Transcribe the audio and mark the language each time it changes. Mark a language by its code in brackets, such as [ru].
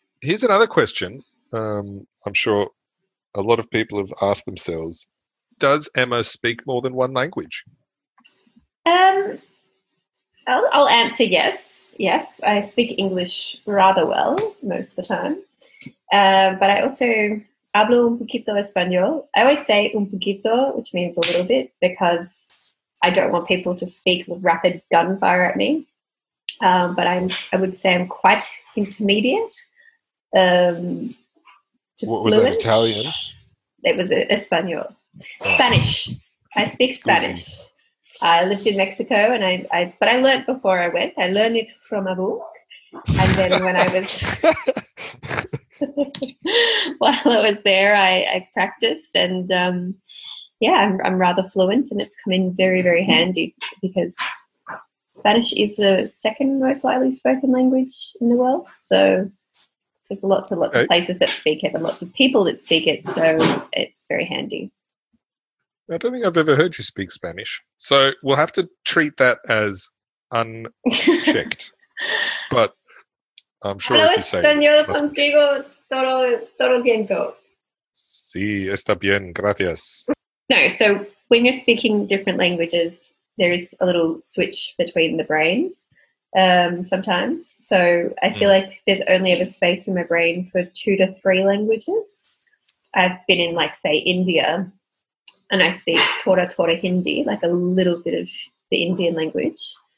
[en] Here's another question. I'm sure a lot of people have asked themselves, does Emma speak more than one language? I'll answer yes. Yes, I speak English rather well most of the time. But I also [es] hablo un poquito español. [en] I always say [es] un poquito, [en] which means a little bit, because I don't want people to speak with rapid gunfire at me. I would say I'm quite intermediate. Was that, Italian? It was español. Spanish. I speak Spanish. I lived in Mexico, and I learned before I went. I learned it from a book, and then when I was while I was there, I practiced, and I'm rather fluent, and it's come in very, very handy because Spanish is the second most widely spoken language in the world. So there's lots of places that speak it, and lots of people that speak it. So it's very handy. I don't think I've ever heard you speak Spanish. So we'll have to treat that as unchecked. But I'm sure if you say... [es] Hablo español contigo todo el tiempo. Sí, está bien, gracias. [en] No, so when you're speaking different languages, there is a little switch between the brains sometimes. So I feel like there's only ever space in my brain for 2 to 3 languages. I've been in, like, say, India, and I speak Tora Hindi, like a little bit of the Indian language.